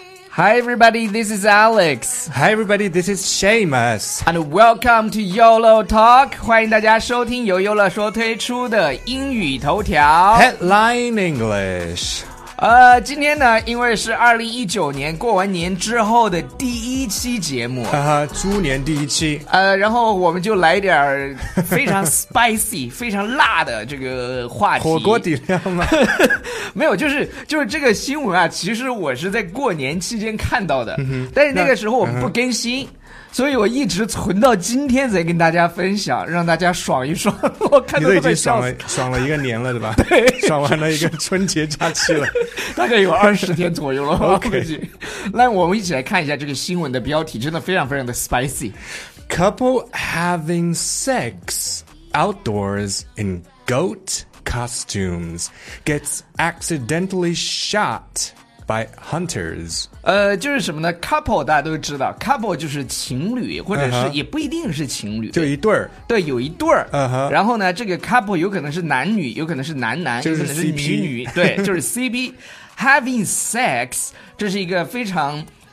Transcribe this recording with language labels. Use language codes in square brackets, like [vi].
[en] Hi everybody, this is Alex. Hi everybody, this is Seamus. And welcome to YOLO Talk. [zh] 欢迎大家收听由优乐说推出的英语头条 [en] Headline English。 [zh] 今天呢，因为是2019年过完年之后的第一期节目，哈哈，猪年第一期。然后我们就来点非常 spicy 非常辣的这个话题。火锅底料吗？没有，就是这个新闻啊，其实我是在过年期间看到的，但是那个时候我们不更新，所以我一直存到今天才跟大家分享，让大家爽一爽。我看到快笑死，你都已经爽了一个年了，对吧？对，爽完了一个春节假期了，大概有20天左右了。 OK，那我们一起来看一下这个新闻的标题，真的非常非常的 spicy。 [en] Couple having sex outdoors in goat costumes gets accidentally shot. By hunters， [zh] 就是什么呢 ？Couple 大家都知道 ，couple 就是情侣，或者是也不一定是情侣， uh-huh. 就一对儿。对，有一对儿。然后呢，这个 couple 有可能是男女，有可能是男男，就是 CP、有可能是女女。对，就是 CP having sex， 这是一个非常，